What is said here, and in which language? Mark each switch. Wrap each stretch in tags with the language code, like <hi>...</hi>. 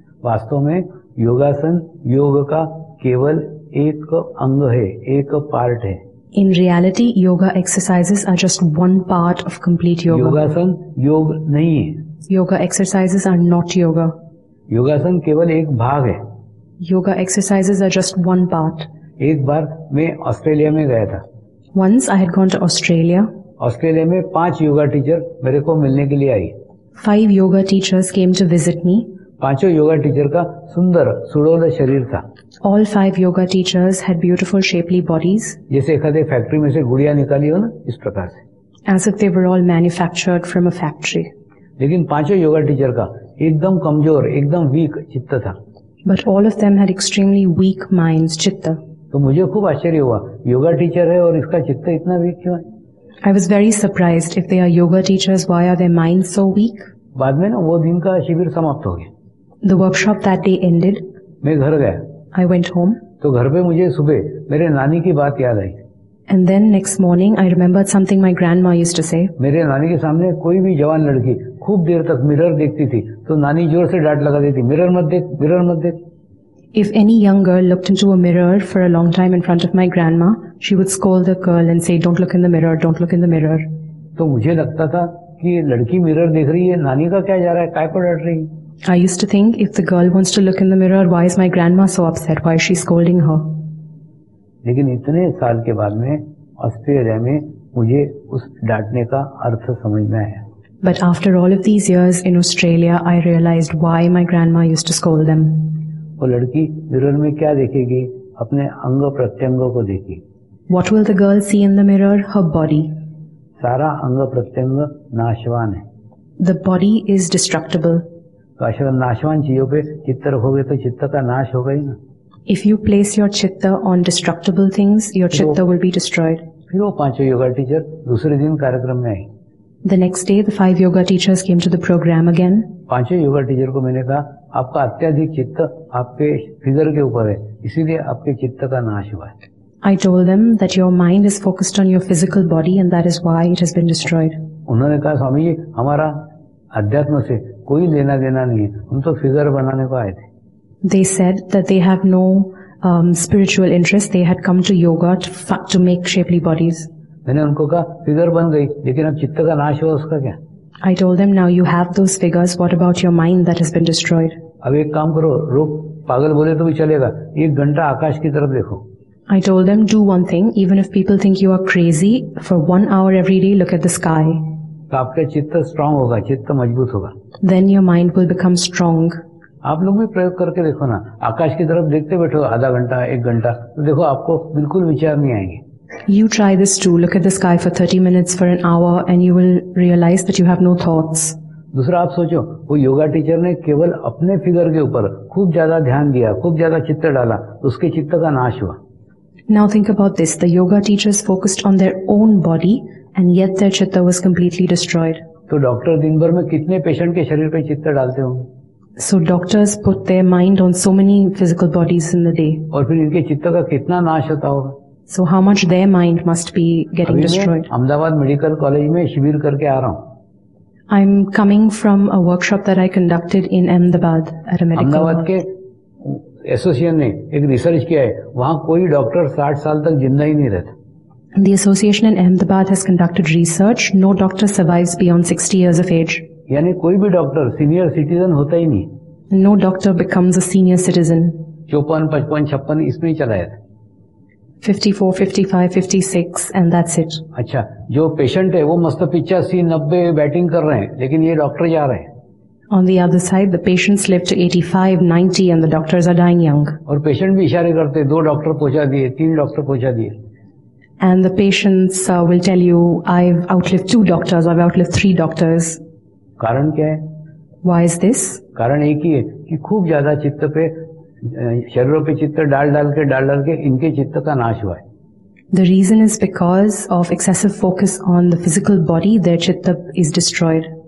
<hi>वास्तव में योगासन योग का केवल एक अंग है, एक पार्ट है.</hi> <en>In reality, yoga exercises are just one part of complete yoga.</en> <hi>योगासन योग नहीं है.</hi> <en>Yoga exercises are not yoga.</en> <hi>योगासन केवल एक भाग है.</hi> <en>Yoga exercises are just one part.</en> <hi>एक बार मैं ऑस्ट्रेलिया में गया था.</hi> <en>Once I had gone to Australia.</en> <hi>Australia में पांच योगा टीचर मेरे को मिलने के लिए आई.</hi> <en>Five yoga teachers came to visit me.</en> <hi>पांचों योगा टीचर का सुंदर सुडौला शरीर था.</hi> <en>All five yoga teachers had beautiful shapely bodies.</en> <hi>जैसे एकादे फैक्ट्री में से गुड़िया निकाली हो ना, इस प्रकार से.</hi> <en>As if they were all manufactured from a factory.</en> <hi>लेकिन पांचों योगा टीचर का एकदम कमजोर, एकदम वीक चित्त था.</hi> <en>But all of them had extremely weak minds, chitta.</en> <hi>तो मुझे खूब आश्चर्य हुआ, योगा टीचर है और इसका चित्त इतना वीक क्यों है?</hi> <en>I was very surprised. If they are yoga teachers, why are their minds so weak?</en> <hi>बाद में ना वो दिन का शिविर समाप्त हो गया.</hi> <en>The workshop that day ended.</en> <hi>मैं घर गया.</hi> <en>I went home.</en> <hi>तो घर पे मुझे सुबह मेरे नानी की बात याद आई.</hi> <en>And then next morning, I remembered something my grandma used to say.</en> <hi>मेरे नानी के सामने कोई भी जवान लड़की खूब देर तक मिरर देखती थी तो नानी जोर से डांट लगा देती, मिरर मत देख, मिरर मत देख.</hi> <en>If any young girl looked into a mirror for a long time in front of my grandma, she would scold the girl and say, "Don't look in the mirror, don't look in the mirror."</en> <hi>तो मुझे लगता था कि लड़की mirror देख रही है, नानी का क्या जा रहा है, काय पर डांट रही है?</hi> <en>I used to think, if the girl wants to look in the mirror, why is my grandma so upset? Why is she scolding her?</en> <hi>लेकिन इतने साल के बाद में ऑस्ट्रेलिया में मुझे उस डांटने का अर्थ समझ में आया.</hi> <en>But after all of these years in Australia, I realized why my grandma used to scold them.</en> <hi>वो लड़की मिरर में क्या देखेगी? अपने अंग प्रत्यंगों को देखेगी.</hi> <en>What will the girl see in the mirror? Her body.</en> <hi>सारा अंग प्रत्यंग नाशवान है.</hi> <en>The body is destructible.</en> <hi>तो अगर नाशवान चीजों पे चित्त रखोगे तो चित्त का नाश होगा ही ना.</hi> <en>If you place your chitta on destructible things, your chitta will be destroyed.</en> <hi>फिर वो पांचों योगा टीचर दूसरे दिन कार्यक्रम में आए.</hi> <en>The next day, the five yoga teachers came to the program again.</en> <hi>पांचों योगा टीचर को मैंने कहा, आपका अत्यधिक चित्त आपके फिगर के ऊपर है, इसीलिए आपके चित्त का नाश हुआ है.</hi> <en>I told them that your mind is focused on your physical body and that is why it has been destroyed.</en> <hi>उन्होंने कहा, स्वामी जी, हमारा अध्यात्म से कोई लेना देना नहीं है, हम तो फिगर बनाने को आए थे.</hi> <en>They said that they have no spiritual interest. They had come to yoga to make shapely bodies.</en> <hi>मैंने उनको कहा, फिगर बन गई लेकिन अब चित्त का नाश हुआ, उसका क्या?</hi> <en>I told them, now you have those figures. What about your mind that has been destroyed?</en> <hi>अब एक काम करो, रुक, पागल बोले तो भी चलेगा, एक घंटा आकाश की तरफ देखो.</hi> <en>I told them, do one thing. Even if people think you are crazy, for one hour every day, look at the sky.</en> <hi>तो आपका चित्त स्ट्रांग होगा, चित्त मजबूत होगा.</hi> <en>Then your mind will become strong.</en> <hi>आप लोग भी प्रयोग करके देखो ना, आकाश की तरफ देखते बैठो आधा घंटा, एक घंटा, तो देखो आपको बिल्कुल विचार नहीं आएंगे.</hi> <en>You try this too. Look at the sky for 30 minutes, for an hour, and you will realize that you have no thoughts.</en> <hi>दूसरा आप सोचो, वो योगा टीचर ने केवल अपने फिगर के ऊपर खूब ज्यादा ध्यान दिया, खूब ज्यादा चित्त डाला, उसके चित्त का नाश हुआ.</hi> <en>Now think about this. The yoga teachers focused on their own body, and yet their chitta was completely destroyed.</en> <hi>तो डॉक्टर दिन भर में कितने पेशेंट के शरीर पे चित्त डालते होंगे?</hi> <en>So doctors put their mind on so many physical bodies in the day.</en> <hi>और फिर इनके चित्त का कितना नाश होता होगा?</hi> <en>So how much their mind must be getting destroyed.</en> <hi>Ahmedabad medical college में शिविर करके आ रहा हूँ.</hi> <en>I'm coming from a workshop that I conducted in Ahmedabad at a medical.</en> <hi>Ahmedabad के एसोसिएशन ने एक रिसर्च किया है, वहाँ कोई डॉक्टर 60 साल तक जिंदा ही नहीं रहता.</hi> <en>The association in Ahmedabad has conducted research. No doctor survives beyond 60 years of age.</en> <hi>यानी कोई भी डॉक्टर सीनियर सिटीजन होता ही नहीं.</hi> <en>No doctor becomes a senior citizen.</en> <hi>54, 55, 56 इसमें चला जाता.</hi> <en>54, 55, 56 and that's it.</en> <hi>अच्छा, जो पेशेंट है वो मस्त 85, 90 बैटिंग कर रहे हैं लेकिन ये डॉक्टर जा रहे हैं.</hi> <en>On the other side, the patients live to 85, 90 and the doctors are dying young.</en> <hi>और पेशेंट भी इशारे करते, दो डॉक्टर पहुंचा दिए, तीन डॉक्टर पहुंचा दिए.</hi> <en>And the patients will tell you, I've outlived two doctors, I've outlived three doctors.</en> <hi>कारण क्या है?</hi> <en>Why is this?</en> <hi>कारण एक ही है कि खूब ज्यादा चित्त पे, शरीरों पे चित्त डाल डाल के इनके चित्त का नाश हुआ है.</hi> <en>The reason is because of excessive focus on the physical body, their chitta is destroyed.</en>